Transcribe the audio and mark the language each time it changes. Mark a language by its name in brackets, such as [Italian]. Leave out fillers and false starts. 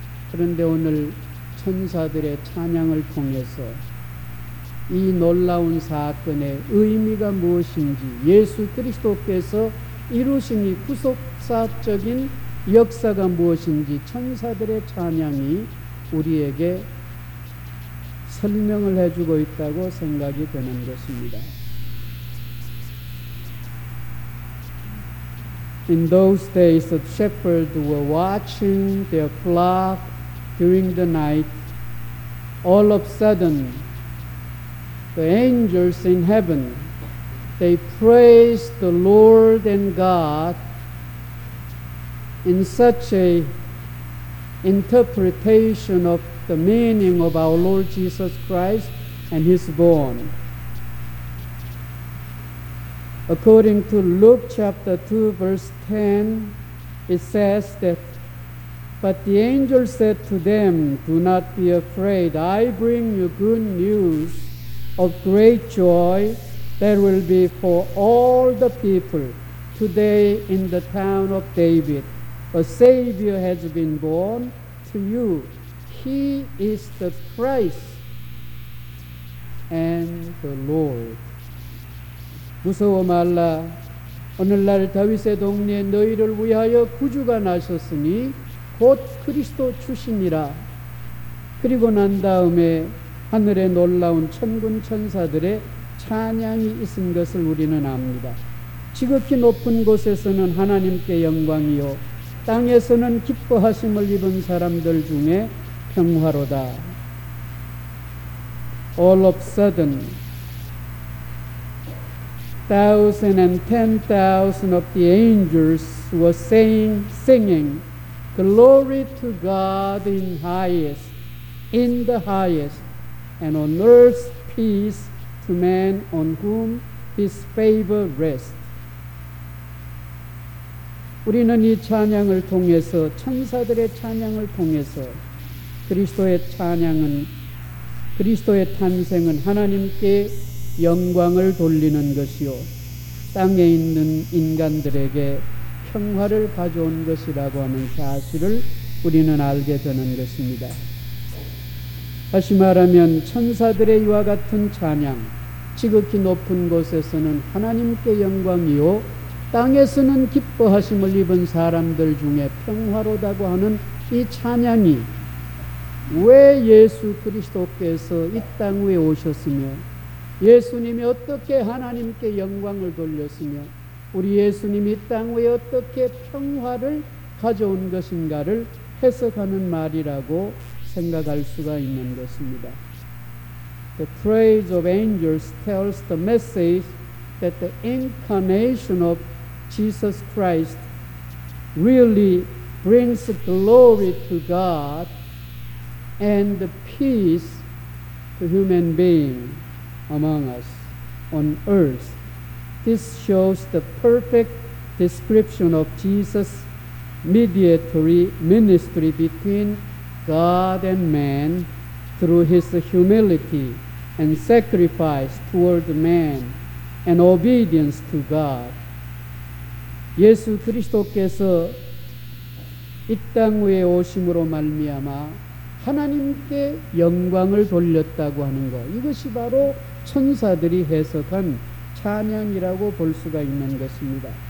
[Korean] 그런데 오늘 천사들의 찬양을 통해서 이 놀라운 사건의 의미가 무엇인지, 예수 그리스도께서 이루신 이 구속사적인 역사가 무엇인지 천사들의 찬양이 우리에게 설명을 해주고 있다고 생각이 되는 것입니다. [English] In those days, the shepherds were watching their flock during the night. All of a sudden, the angels in heaven, they praised the Lord and God in such a interpretation of the meaning of our Lord Jesus Christ and his born. According to Luke chapter 2, verse 10, it says that, "But the angel said to them, 'Do not be afraid. I bring you good news of great joy that will be for all the people. Today in the town of David, a Savior has been born to you. He is the Christ and the Lord.'" [Korean] 무서워 말라. 오늘날 다윗의 동네에 너희를 위하여 구주가 나셨으니 곧 그리스도 주시니라. 그리고 난 다음에 하늘에 놀라운 천군 천사들의 찬양이 있은 것을 우리는 압니다. 지극히 높은 곳에서는 하나님께 영광이요, 땅에서는 기뻐하심을 입은 사람들 중에 평화로다. [English] All of a sudden, thousand and ten thousand of the angels were singing, "Glory to God in highest, in the highest, and on earth peace to man on whom his favor rests." [Korean] 우리는 이 찬양을 통해서, 천사들의 찬양을 통해서, 그리스도의 찬양은, 그리스도의 탄생은 하나님께 영광을 돌리는 것이요, 땅에 있는 인간들에게 평화를 가져온 것이라고 하는 사실을 우리는 알게 되는 것입니다. 다시 말하면 천사들의 이와 같은 찬양, 지극히 높은 곳에서는 하나님께 영광이요, 땅에서는 기뻐하심을 입은 사람들 중에 평화로다고 하는 이 찬양이 왜 예수 그리스도께서 이 땅 위에 오셨으며, 예수님이 어떻게 하나님께 영광을 돌렸으며, 우리 예수님이 이 땅 위에 어떻게 평화를 가져온 것인가를 해석하는 말이라고 생각할 수가 있는 것입니다. [English] The praise of angels tells the message that the incarnation of Jesus Christ really brings glory to God and peace to human beings among us on earth. This shows the perfect description of Jesus' mediatory ministry between God and man through his humility and sacrifice toward man and obedience to God. [Korean] 예수 그리스도께서 이 땅 위에 오심으로 말미암아 하나님께 영광을 돌렸다고 하는 것, 이것이 바로 천사들이 해석한 찬양이라고 볼 수가 있는 것입니다.